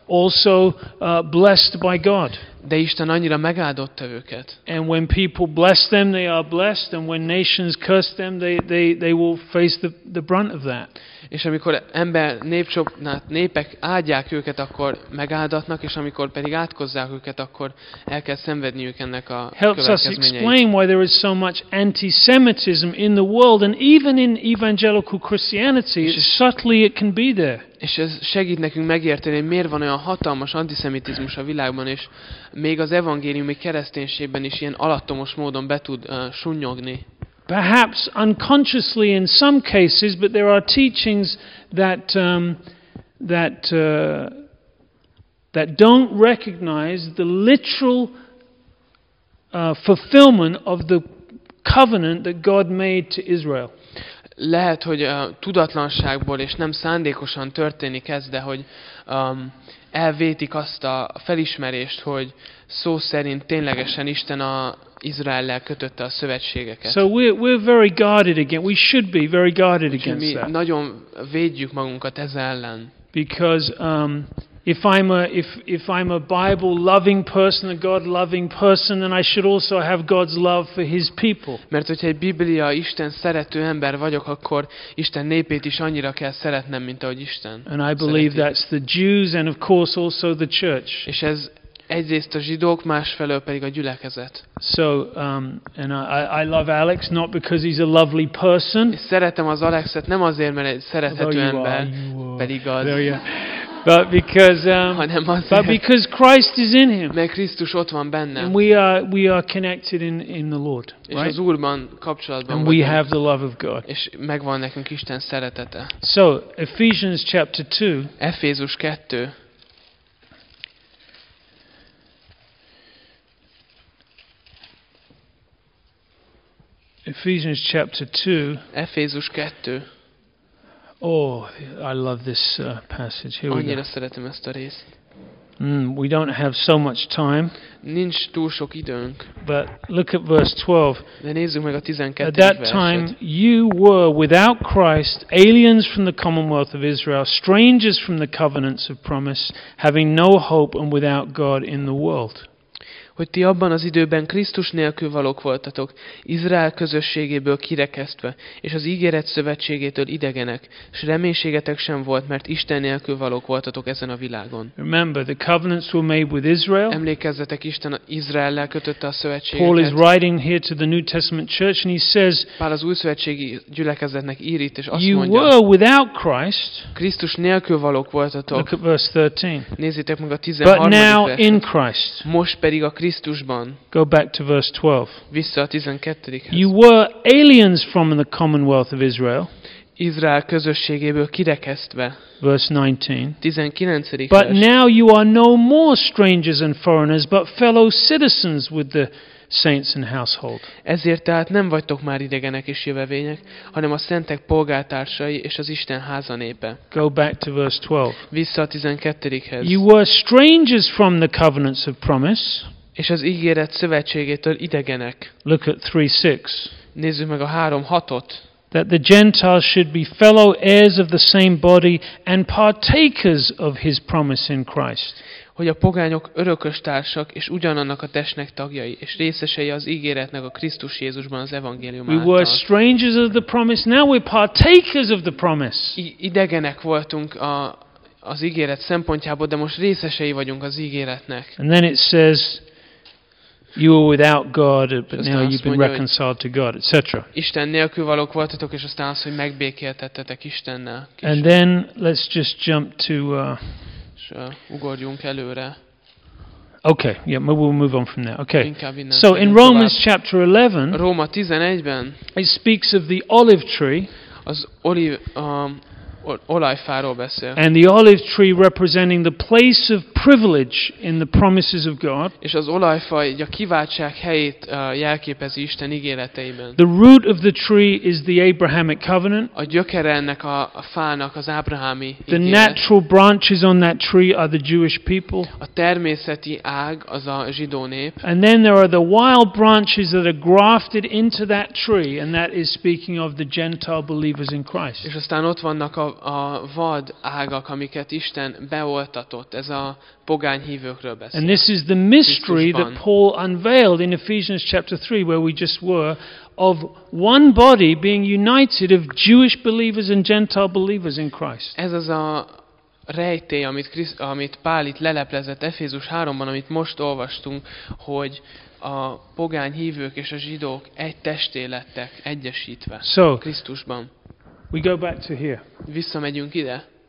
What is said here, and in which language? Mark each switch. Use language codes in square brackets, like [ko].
[en] Also blessed by God. [hu] De Isten annyira megáldotta őket. [en] And when people bless them, they are blessed. And when nations curse them, they will face the brunt of that. [hu] És amikor ember népek áldják őket, akkor megáldatnak, és amikor pedig átkozzák őket, akkor el kell szenvedniük ennek a [en] helps us explain why there is so much anti-Semitism in the world, and even in evangelical Christianity, subtly it can be there. [hu] És ez segít nekünk megérteni, hogy miért van olyan hatalmas antiszemitizmus a világban, és még az evangéliumi kereszténységben is ilyen alattomos módon be tud sunnyogni. [en] Perhaps unconsciously in some cases, but there are teachings that that don't recognize the literal fulfillment of the covenant that God made to Israel. [hu] Lehet, hogy tudatlanságból és nem szándékosan történik ez, de hogy elvétik azt a felismerést, hogy szó szerint ténylegesen Isten a Izraellel kötötte a szövetségeket. [en] So we're very guarded again. We should be very guarded against that. [hu] Nagyon védjük magunkat ez ellen. [en] Because if I'm a Bible loving person, a God loving person, then I should also have God's love for His people. [hu] Mert hogyha egy Biblia Isten szerető ember vagyok, akkor Isten népét is annyira kell szeretnem, mint ahogy Isten. [en] And I believe that's the Jews and of course also the church. [hu] És ez egyrészt a zsidók, másfelől pedig a gyülekezet. [en] So and I love Alex not because he's a lovely person. [hu] És szeretem az Alexet nem azért, mert egy szerethető ember, pedig az. [en] But because Christ is in him. [hu] Mert Krisztus ott van benne. [en] And we are connected in the Lord, right? [hu] És az Úrban kapcsolatban. [en] And we have the love of God. [hu] És megvan nekünk Isten szeretete. [en] So Ephesians chapter 2. [hu] Efézus 2. [en] Ephesians chapter 2. [hu] Efézus 2. [en] Oh, I love this passage. Here we go. [hu] Annyira szeretem ezt a részt. [en] We don't have so much time. [hu] Nincs túl sok időnk. [en] But look at verse 12. [hu] De nézzük meg a 12. [en] At that time you were without Christ, aliens from the commonwealth of Israel, strangers from the covenants of promise, having no hope and without God in the world. [hu] Hogy ti abban az időben Krisztus nélkül valók voltatok, Izrael közösségéből kirekesztve, és az ígéret szövetségétől idegenek, s reménységetek sem volt, mert Isten nélkül valók voltatok ezen a világon. [en] Remember, the covenants were made with Israel. [hu] Emlékezzetek, Isten Izraellel kötötte a szövetséget. [en] Paul is writing here to the New Testament church, and he says, [hu] Pál az új szövetségi gyülekezetnek ír itt, és azt [en] you [hu] mondja, [en] were without Christ. [hu] Krisztus nélkül valók voltatok. [en] Look at verse 13. [hu] Nézzétek meg a 13. [en] But now in Christ. [hu] Most pedig a Krisztusban. [en] Go back to verse 12. [hu] Vissza a 12-hez. [en] You were aliens from the commonwealth of Israel. [hu] Izrael közösségéből kirekesztve. [en] Verse 19. 19. But now you are no more strangers and foreigners, but fellow citizens with the saints and household. [hu] Ezért tehát nem vagytok már idegenek és jövevények, hanem a szentek polgártársai és az Isten háza népe. [en] Go back to verse 12. [hu] Vissza a 12-hez. [en] You were strangers from the covenants of promise. [hu] És az ígéret szövetségétől idegenek. [en] Look at 3:6. [hu] Nézzük meg a 3:6-ot. [en] That the Gentiles should be fellow heirs of the same body and partakers of his promise in Christ. [hu] Hogy a pogányok örököstársak és ugyanannak a testnek tagjai és részesei az ígéretnek a Krisztus Jézusban az evangélium által. [en] We were strangers of the promise, now we're partakers of the promise. [hu] Idegenek voltunk az ígéret szempontjából, de most részesei vagyunk az ígéretnek. [en] And then it says, you were without God, but now you've been reconciled to God, etc. [hu] Isten nélkül valók voltatok, és aztán az, hogy megbékéltettetek Istennel. [en] And then let's just jump to. [hu] Ugorjunk előre. [en] Okay, yeah, maybe we'll move on from there. Okay. So in Romans chapter 11, [hu] Róma 11-ben, [en] it speaks of the olive tree. [hu] Az olive olajfáról beszél. [en] And the olive tree representing the place of privilege in the promises of God. [hu] És az olajfa egy a kiváltság helyét jelképezi Isten ígéreteiben. [en] The root of the tree is the Abrahamic covenant. [hu] A gyökere ennek a fának az ábrahámi ígéret. [en] The natural branches on that tree are the Jewish people. [hu] A természeti ág az a zsidó nép. [en] And then there are the wild branches that are grafted into that tree, and that is speaking of the Gentile believers in Christ. [hu] És aztán ott vannak a vad ágak, amiket Isten beoltatott, ez a pogány hívőkről beszél. [en] And this is the mystery that Paul unveiled in Ephesians chapter 3, where we just were, of one body being united of Jewish believers and Gentile believers in Christ. [hu] Ez az a rejtély, amit Pál itt leleplezett Efézus 3-ban, amit most olvastunk, hogy a pogány hívők és a zsidók egy testé lettek egyesítve Krisztusban. [en] We go back to here. [hu] Visszamegyünk ide.